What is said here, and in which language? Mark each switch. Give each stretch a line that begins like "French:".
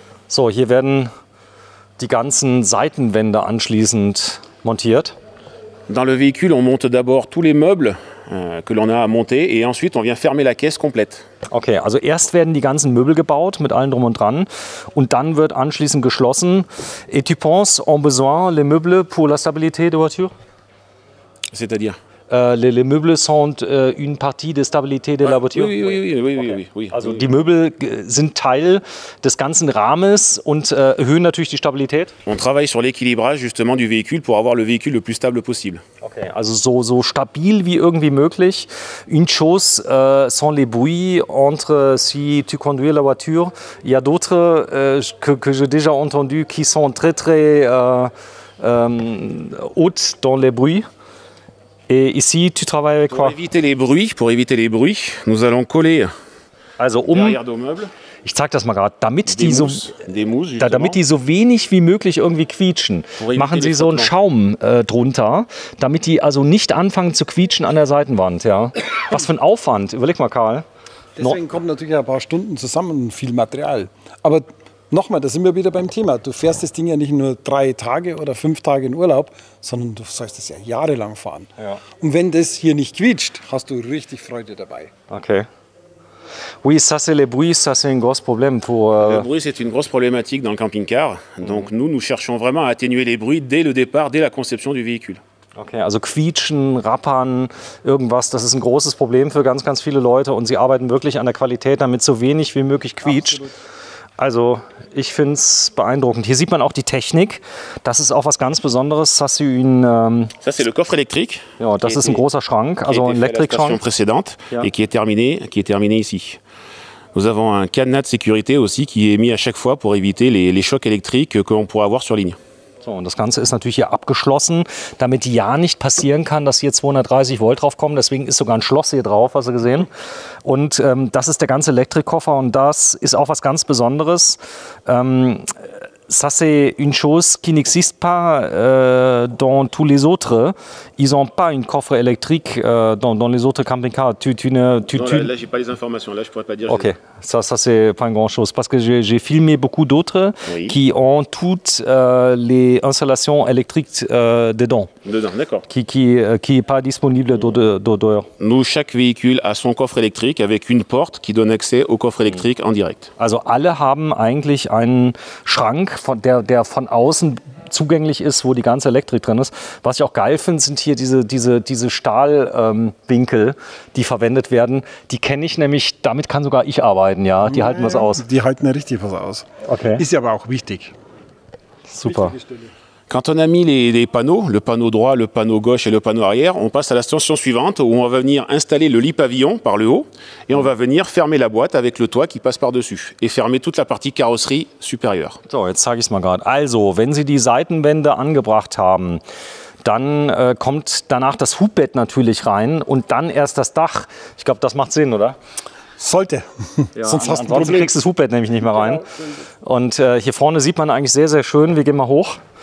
German: So, hier werden die ganzen Seitenwände anschließend montiert.
French: Dans le véhicule, on monte d'abord tous les meubles que l'on a à monter et ensuite on vient fermer la caisse complète.
German: Okay, also erst werden die ganzen Möbel gebaut mit allen drum und dran und dann wird anschließend geschlossen.
French: Et tu penses en besoin les meubles pour la stabilité de voiture? C'est-à-dire? Les meubles sont une partie de stabilité de la voiture? Oui, oui, oui. Oui, okay. Oui, oui.
German: Also die Möbel sind Teil des ganzen Rahmens und erhöhen natürlich die Stabilität.
French: On travaille sur l'équilibrage justement du véhicule pour avoir le véhicule le plus stable possible.
German: Okay, also so stabil wie irgendwie möglich.
French: Une chose sont les bruits entre si tu conduis la voiture. Il y a d'autres que j'ai déjà entendu qui sont très très hautes dans les bruits. Et ici, tu travailles avec quoi? Pour éviter les bruits, nous allons coller derrière nos meubles.
German: Ich zeige das mal gerade. Damit die so wenig wie möglich irgendwie quietschen, machen sie so einen Schaum drunter, damit die also nicht anfangen zu quietschen an der Seitenwand. Ja. Was für ein Aufwand. Überleg mal, Karl. Deswegen kommen natürlich ein paar Stunden zusammen und viel Material. Aber nochmal, da sind wir wieder beim Thema. Du fährst das Ding ja nicht nur 3 Tage oder 5 Tage in Urlaub, sondern du sollst das ja jahrelang fahren. Ja. Und wenn das hier nicht quietscht, hast du richtig Freude dabei. Okay.
French: Oui, ça c'est le bruit, ça c'est un gros problème pour... Le bruit, c'est une grosse problématique dans le camping-car. Donc nous cherchons vraiment à atténuer les bruits dès le départ, dès la conception du véhicule.
German: Okay, also quietschen, rappern, irgendwas, das ist ein großes Problem für ganz, ganz viele Leute und sie arbeiten wirklich an der Qualität, damit so wenig wie möglich quietscht. Absolut. Also ich finde es beeindruckend. Hier sieht man auch die Technik. Das ist auch was ganz Besonderes. Das ist
French: Le coffre électrique.
German: Ja, das ist ein großer Schrank, also ein Elektrikschrank. Die
French: Station précédente et qui est terminé ici. Nous avons un cadenas de sécurité aussi qui est mis à chaque fois pour éviter les chocs électriques que l'on pourrait avoir sur ligne.
German: So, und das Ganze ist natürlich hier abgeschlossen, damit ja nicht passieren kann, dass hier 230 Volt draufkommen. Deswegen ist sogar ein Schloss hier drauf, hast du gesehen. Und das ist der ganze Elektrikkoffer und das ist auch was ganz Besonderes.
French: Ça c'est une chose qui n'existe pas dans tous les autres. Ils ont pas une coffre électrique dans les autres camping cars. Là, j'ai pas les informations. Là, je pourrais pas dire. Ok. Ça c'est pas une grande chose parce que j'ai filmé beaucoup d'autres qui ont toutes les installations électriques dedans. Dedans, d'accord. Qui est pas disponible d'odeur. Nous, chaque véhicule a son coffre électrique avec une porte qui donne accès au coffre électrique en direct.
German: Also alle haben eigentlich einen Schrank. Der von außen zugänglich ist, wo die ganze Elektrik drin ist. Was ich auch geil finde, sind hier diese Stahlwinkel, die verwendet werden. Die kenne ich nämlich, damit kann sogar ich arbeiten, ja. Die halten was aus. Die halten ja richtig was aus. Okay. Ist ja aber auch wichtig. Super.
French: Quand on a mis les panneaux, le panneau droit, le panneau gauche et le panneau arrière, on passe à la station suivante où on va venir installer le lit pavillon par le haut et on va venir fermer la boîte avec le toit qui passe par-dessus et fermer toute la partie carrosserie supérieure.
German: So, jetzt zeige ich es mal gerade. Also, wenn Sie die Seitenwände angebracht haben, dann kommt danach das Hubbett natürlich rein und dann erst das Dach. Ich glaube, das macht Sinn, oder? Sollte. Ja, sonst hast du ein Problem. Kriegst du das Hubbett nämlich nicht mehr rein. Und hier vorne sieht man eigentlich sehr, sehr schön. Wir gehen mal hoch.